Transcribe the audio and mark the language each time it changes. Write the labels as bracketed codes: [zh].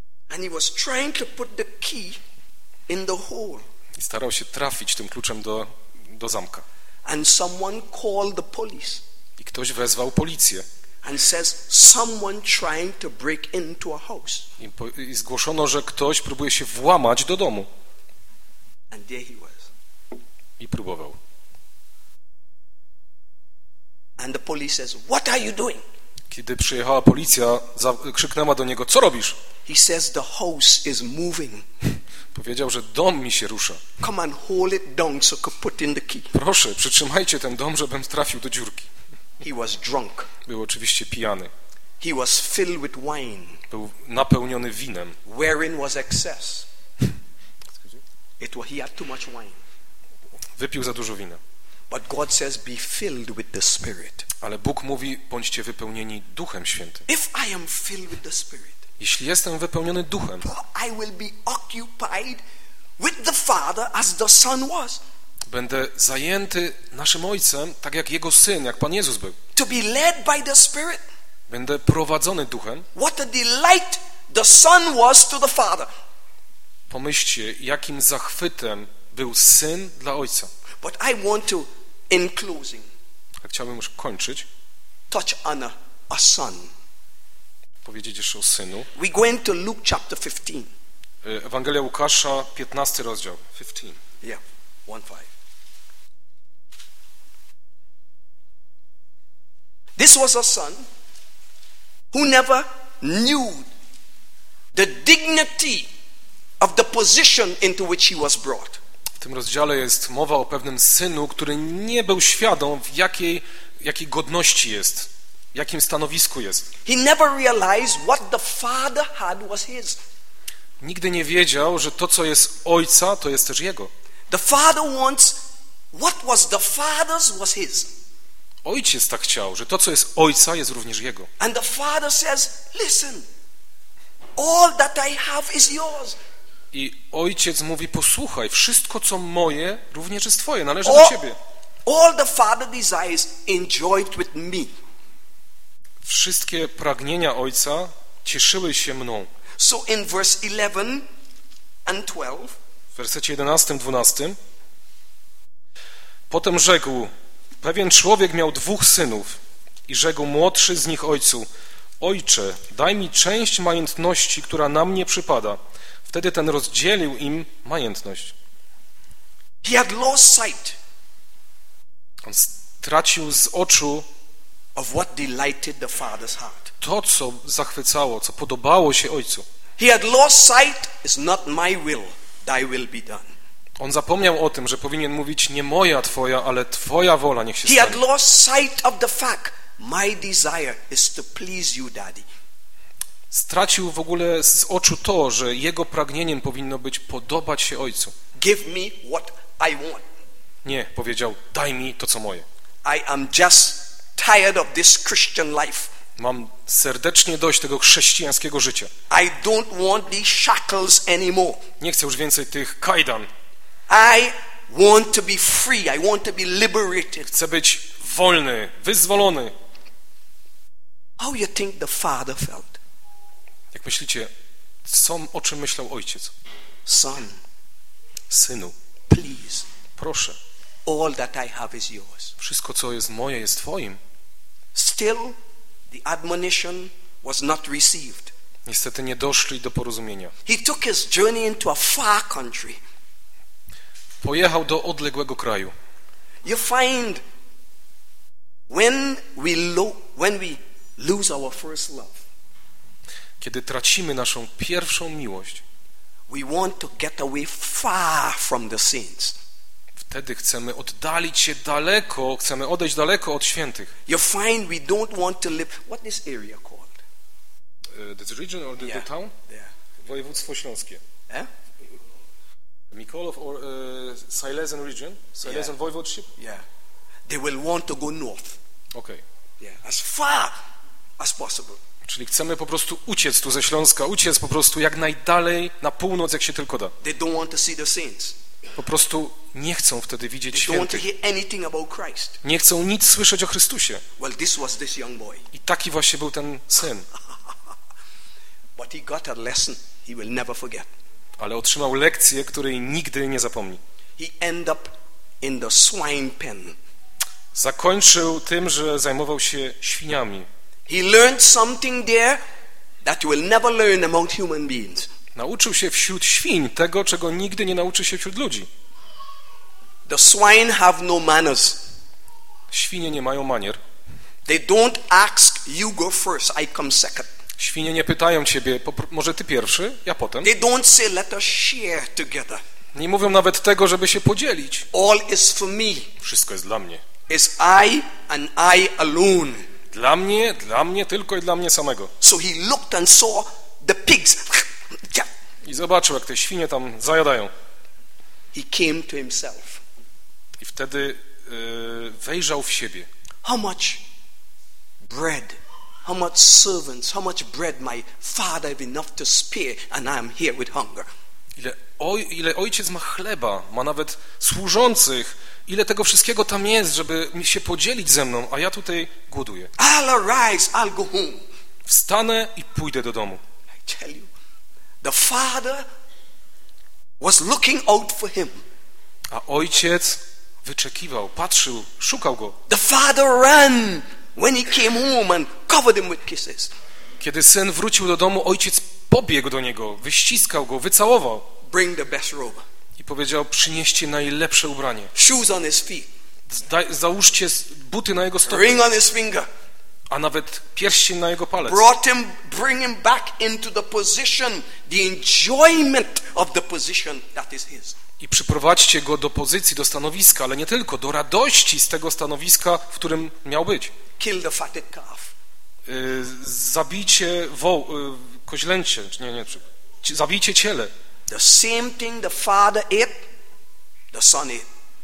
[en] And he was trying to put the key in the hole. [pl] I starał się trafić tym kluczem do zamka. [en] And someone called the police. [pl] I ktoś wezwał policję. [en] And says someone trying to break into a house. [pl] I zgłoszono, że ktoś próbuje się włamać do domu. [en] And there he was. [pl] I próbował. [en] And the police says, "What are you doing?" [pl] Kiedy przyjechała policja, krzyknęła do niego: "Co robisz?" [en] He says, "The house is moving." [pl] Powiedział, że dom mi się rusza. [en] "Come and hold it down so I can put in the key." [pl] Proszę, przytrzymajcie ten dom, żebym trafił do dziurki. [en] He was drunk. [pl] Był oczywiście pijany. [en] He was filled with wine. [pl] Był napełniony winem. [en] Wherein was excess. He had too much wine. [pl] Wypił za dużo wina. [en] But God says, be filled with the Spirit. [pl] Ale Bóg mówi, bądźcie wypełnieni Duchem Świętym. [en] If I am filled with the Spirit, [pl] jeśli jestem wypełniony Duchem, [en] I will be occupied with the Father as the Son was. [pl] Będę zajęty naszym Ojcem, tak jak Jego Syn, jak Pan Jezus był. [en] To be led by the Spirit. [pl] Będę prowadzony Duchem. [en] What a delight the Son was to the Father. [pl] Pomyślcie, jakim zachwytem był Syn dla Ojca. [en] But I want to, in closing, [pl] chciałbym już kończyć. [en] Touch on a son. [pl] Powiedzieć jeszcze o Synu. [en] We go into Luke chapter 15. [pl] Ewangelia Łukasza, 15 rozdział. [en] 15. Yeah, 1:5. This was a son who never knew the dignity of the position into which he was brought. [pl] W tym rozdziale jest mowa o pewnym synu, który nie był świadom, w jakiej godności jest jakim stanowisku jest. [en] He never realized what the Father had was his. [pl] Nigdy nie wiedział, że to, co jest Ojca, to jest też Jego. [en] The Father wants what was the Father's was his. [pl] Ojciec tak chciał, że to, co jest Ojca, jest również Jego. [en] And the Father says, listen, all that I have is yours. [pl] I Ojciec mówi, posłuchaj, wszystko, co moje, również jest Twoje, należy [en] all, [pl] do Ciebie. [en] All the Father desires, enjoy it with me. [pl] Wszystkie pragnienia Ojca cieszyły się mną. [en] So in verse 11 and 12, [pl] w wersecie 11, 12, potem rzekł, pewien człowiek miał dwóch synów i rzekł młodszy z nich ojcu, ojcze, daj mi część majątności, która na mnie przypada. Wtedy ten rozdzielił im majątność. [en] He had lost sight. [pl] On stracił z oczu [en] of what delighted the father's heart. [pl] To, co zachwycało, co podobało się ojcu. [en] He had lost sight, it's not my will, thy will be done. [pl] On zapomniał o tym, że powinien mówić nie moja, twoja, ale twoja wola niech się stanie. [en] He had lost sight of the fact, my desire is to please you, daddy. [pl] Stracił w ogóle z oczu to, że jego pragnieniem powinno być podobać się ojcu. [en] Give me what I want. [pl] Nie, powiedział, daj mi to, co moje. [en] I am just tired of this Christian life. [pl] Mam serdecznie dość tego chrześcijańskiego życia. [en] I don't want these shackles anymore. [pl] Nie chcę już więcej tych kajdan. [en] I want to be free. I want to be liberated. [pl] Chcę być wolny, wyzwolony. [en] How you think the father felt? [pl] Jak myślicie, co, o czym myślał ojciec? [en] Son. [pl] Synu. [en] Please. [pl] Proszę. [en] All that I have is yours. [pl] Wszystko, co jest moje, jest twoim. [en] Still, the admonition was not received. [pl] Niestety nie doszli do porozumienia. [en] He took his journey into a far country. [pl] Pojechał do odległego kraju. [en] You find when we lose our first love. [pl] Kiedy tracimy naszą pierwszą miłość. [en] We want to get away far from the saints. [pl] Wtedy chcemy oddalić się daleko, chcemy odejść daleko od świętych. [en] You find we don't want to live. What this area called? This region or the, yeah. The town? Yeah. [pl] Województwo śląskie. Eh? [en] Mikołow or Silesian region, Silesian, yeah. Voivodeship. Yeah, they will want to go north. Okay. Yeah, as far as possible. [pl] Czyli chcemy po prostu uciec tu ze Śląska, uciec po prostu jak najdalej na północ, jak się tylko da. [en] They don't want to see the saints. [pl] Po prostu nie chcą wtedy widzieć [en] they [pl] świętych. [en] They don't want to hear anything about Christ. [pl] Nie chcą nic słyszeć o Chrystusie. [en] Well, this was this young boy. [pl] I taki właśnie był ten syn. [en] But he got a lesson he will never forget. [pl] Ale otrzymał lekcję, której nigdy nie zapomni. [en] He end up in the swine pen. [pl] Zakończył tym, że zajmował się świniami. [en] He learned something there that you will never learn among human beings. [pl] Nauczył się wśród świń tego, czego nigdy nie nauczy się wśród ludzi. [en] The swine have no manners. [pl] Świnie nie mają manier. [en] They don't ask you go first, I come second. [pl] Świnie nie pytają ciebie, może ty pierwszy, ja potem. [en] They don't say, let us share together. [pl] Nie mówią nawet tego, żeby się podzielić. [en] All is for me. [pl] Wszystko jest dla mnie. [en] It's I and I alone. [pl] Dla mnie tylko i dla mnie samego. [en] So he looked and saw the pigs. [pl] I zobaczył, jak te świnie tam zajadają. [en] He came to himself. [pl] I wtedy wejrzał w siebie. [en] How much bread? How much servants, how much bread my father have enough to spare and I am here with hunger. [pl] Ile ojciec ma chleba, ma nawet służących, ile tego wszystkiego tam jest, żeby mi się podzielić ze mną, a ja tutaj głoduję. [en] I'll arise, I'll go home. [pl] Wstanę i pójdę do domu. [en] I tell you, the father was looking out for him. [pl] A ojciec wyczekiwał, patrzył, szukał go. [en] The father ran. When he came home and covered him with kisses. [pl] Kiedy syn wrócił do domu, ojciec pobiegł do niego, wyściskał go, wycałował. [en] Bring the best robe. [pl] I powiedział, przynieście najlepsze ubranie. [en] Shoes on his feet. [pl] Załóżcie buty na jego stopie. [en] Ring on his finger. [pl] A nawet pierścień na jego palec. [en] Brought him, bring him back into the position, the enjoyment of the position that is his. [pl] I przyprowadźcie go do pozycji, do stanowiska, ale nie tylko, do radości z tego stanowiska, w którym miał być. [en] Kill the fatted calf. [pl] zabicie koźlęcie, czy nie, zabicie ciele. [en] The same thing the father ate, the son ate.